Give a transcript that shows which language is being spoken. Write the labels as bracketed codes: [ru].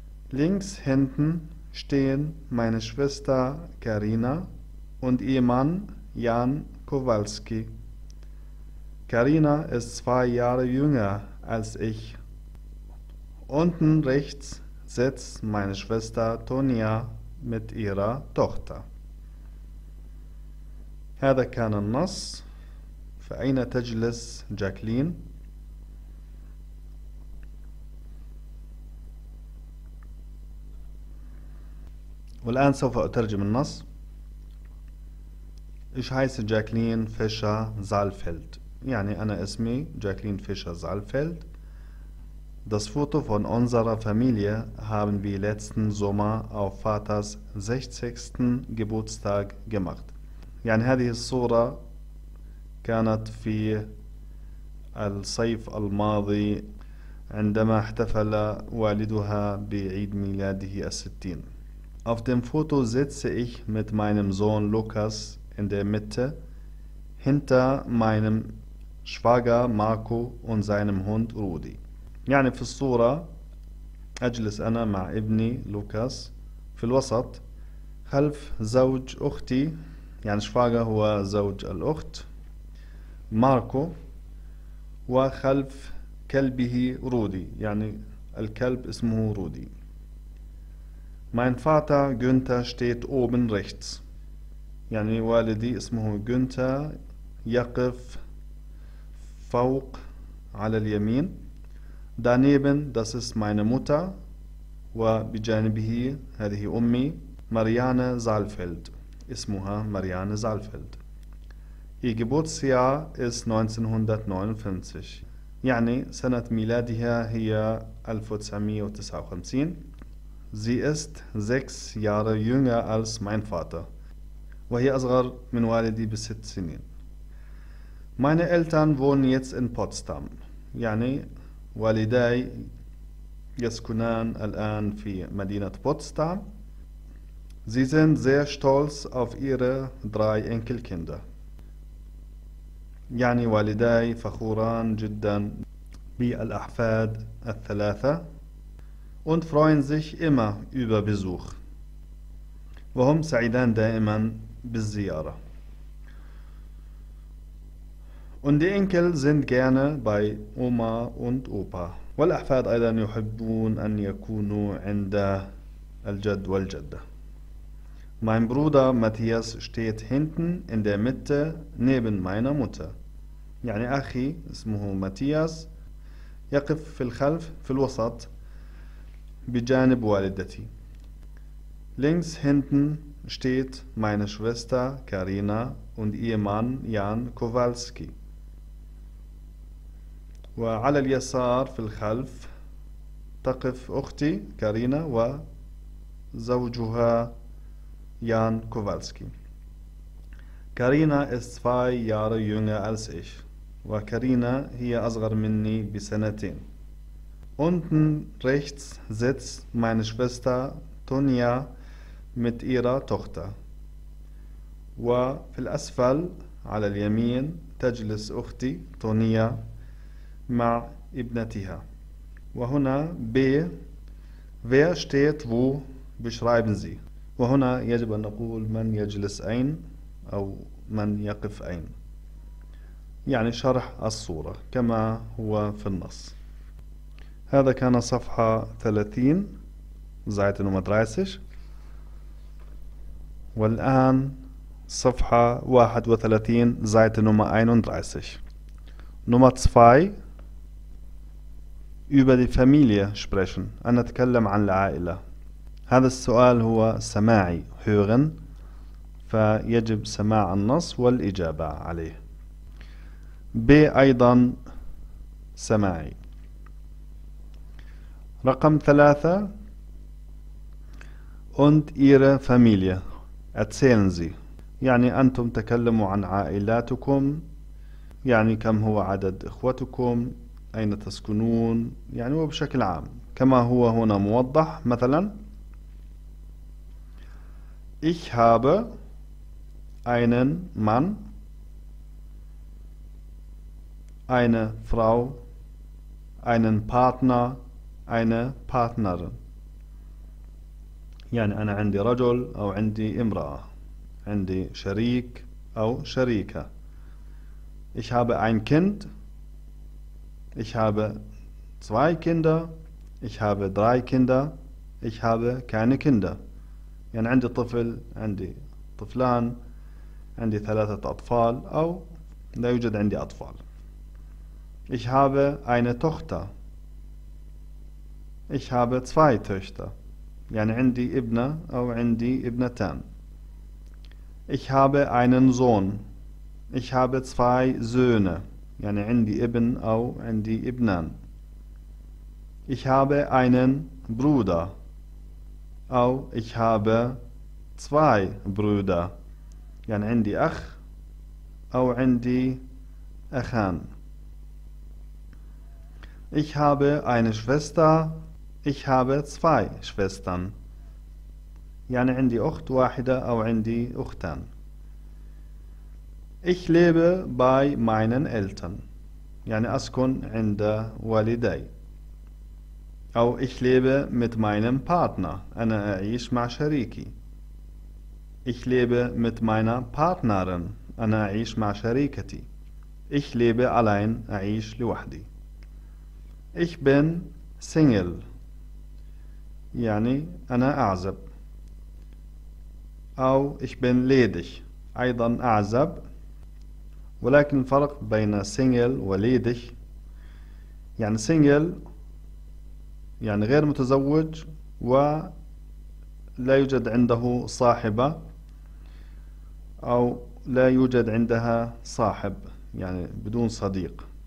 [de] Links hinten stehen meine Schwester Karina und ihr Mann Jan Kowalski. Karina ist 2 Jahre jünger als ich. Unten rechts sitzt meine Schwester Tonia mit ihrer Tochter. [ar] هذا كان النص. فأين تجلس جاكلين؟ والآن سوف أترجم النص. [de] Ich heiße Jacqueline Fischer-Saalfeld. [ar] يعني أنا اسمي جاكلين فيشر-زالفيلد. [de] Das Foto von unserer Familie haben wir letzten Sommer auf Vaters 60. Geburtstag gemacht. [ar] يعني هذه الصورة كانت في الصيف الماضي عندما احتفل والدها بعيد ميلاده 60. [de] Auf dem Foto sitze ich mit meinem Sohn Lukas in der Mitte, hinter meinem Schwager Marco und seinem Hund Rudi. [ar] يعني في الصورة أجلس أنا مع ابني لوكاس في الوسط خلف زوج أختي، يعني شفاقة هو زوج الأخت ماركو، وخلف كلبه رودي، يعني الكلب اسمه رودي. [de] Mein Vater Günther steht oben rechts. [ar] يعني والدي اسمه جونتر يقف فوق على اليمين. [de] Daneben, das ist meine Mutter. [ar] وبجانبه هذه أمي. Marianne Saalfeld. اسمها [de] Marianne Saalfeld. Ihr Geburtsjahr ist 1959. [ar] يعني سنة ميلادها هي 1959. [de] Sie ist 6 Jahre jünger als mein Vater. [ar] وهي أصغر من والدي ب6 سنين. [de] meine Eltern wohnen jetzt in Potsdam. [ar] يعني والداي يسكنان الآن في مدينة بوتسدام. [de] Sie sind sehr stolz auf ihre 3 Enkelkinder. [ar] يعني والداي فخوران جدا بالأحفاد الثلاثة. [de] Und freuen sich immer über Besuch. [ar] وهم سعيدان دائما بالزيارة. [de] Und die Enkel sind gerne bei Oma und Opa. [ar] والأحفاد أيضا يحبون أن يكونوا عند الجد والجدة. [de] Mein Bruder Matthias steht hinten in der Mitte neben meiner Mutter. [ar] يعني أخي اسمه ماتياس يقف في الخلف في الوسط بجانب والدتي. [de] Links hinten steht meine Schwester Karina und ihr Mann Jan Kowalski. [ar] وعلى اليسار في الخلف تقف أختي كارينا وزوجها يان كوفالسكي. [de] كارينا ist 2 Jahre jünger als ich. [ar] وكارينا هي أصغر مني بسنتين. [de] Unten rechts sitzt meine Schwester Tonia mit ihrer Tochter. [ar] وفي الأسفل على اليمين تجلس أختي تونيا مع ابنتها. وهنا ب [de] Wer steht wo beschreiben Sie. [ar] وهنا يجب أن نقول من يجلس أين أو من يقف أين، يعني شرح الصورة كما هو في النص. هذا كان صفحة 30 زائد نمرة 30، والآن صفحة 31 زائد نمرة 31. نمرة 2 [de] Über die Familie sprechen. [ar] أنا أتكلم عن العائلة. هذا السؤال هو سماعي hören، فيجب سماع النص والإجابة عليه. ب أيضا سماعي. رقم 3 [de] Und Ihre Familie. Erzählen Sie. [ar] يعني أنتم تكلموا عن عائلاتكم، يعني كم هو عدد إخوتكم، أين تسكنون، يعني وبشكل عام كما هو هنا موضح. مثلا [de] Ich habe einen Mann, eine Frau, einen Partner, eine Partnerin. [ar] يعني أنا عندي رجل أو عندي امرأة، عندي شريك أو شريكة. [de] Ich habe ein Kind. Ich habe 2 Kinder, ich habe 3 Kinder, ich habe keine Kinder. [ar] يعني عندي طفل، عندي طفلان، عندي 3 أطفال أو لا يوجد عندي أطفال. [de] Ich habe eine Tochter. Ich habe 2 Töchter. [ar] يعني عندي ابنة أو عندي ابنتان. [de] Ich habe einen Sohn. Ich habe 2 Söhne. [ar] يعني عندي ابن أو عندي ابنان. [de] Ich habe einen Bruder. [ar] أو [de] ich habe 2 Brüder. [ar] يعني عندي أخ أو عندي أخان. [de] Ich habe eine Schwester. Ich habe 2 Schwestern. [ar] يعني عندي أخت واحدة أو عندي أختان. [de] Ich lebe bei meinen Eltern. [ar] يعني أسكن عند والدي. أو [de] ich lebe mit meinem Partner. [ar] أنا أعيش مع شريكي. [de] Ich lebe mit meiner Partnerin. [ar] أنا أعيش مع شريكتي. [de] Ich lebe allein. [ar] أعيش لوحدي. [de] Ich bin single. [ar] يعني أنا أعزب. أو [de] ich bin ledig. [ar] أيضا أعزب. ولكن الفرق بين single وليدك، يعني single يعني غير متزوج ولا يوجد عنده صاحبة أو لا يوجد عندها صاحب، يعني بدون صديق.